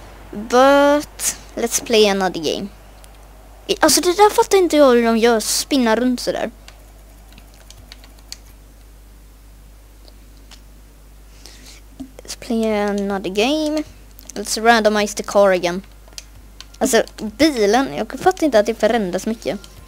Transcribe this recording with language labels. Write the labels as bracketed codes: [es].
[en] But, let's play another game. [sv] Alltså det där fattar inte jag hur de gör, spinna runt så där. [en] Let's play another game. Let's randomize the car again. [sv] Alltså bilen, jag fattar inte att det förändras mycket.